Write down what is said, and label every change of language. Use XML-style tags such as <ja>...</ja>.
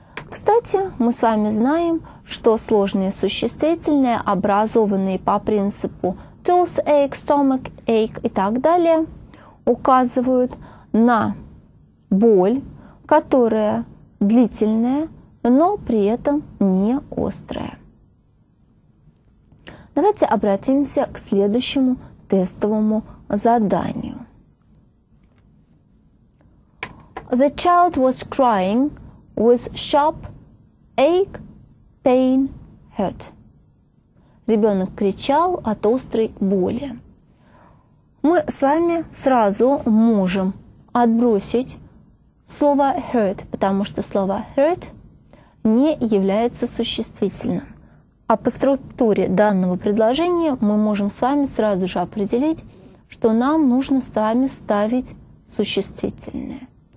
<ru>Кстати, мы с вами знаем, что сложные существительные, образованные по принципу tooth ache, stomach ache и так далее, указывают на боль, которая длительная, но при этом не острая. Давайте обратимся к следующему тестовому заданию.</ru> <en>The child was crying with sharp ache, pain, hurt.</en> <ru>Ребенок кричал от острой боли. Мы с вами сразу можем отбросить слово hurt, потому что слово hurt не является существительным. А по структуре данного предложения мы можем с вами сразу же определить, что нам нужно с вами ставить существительное.</ru>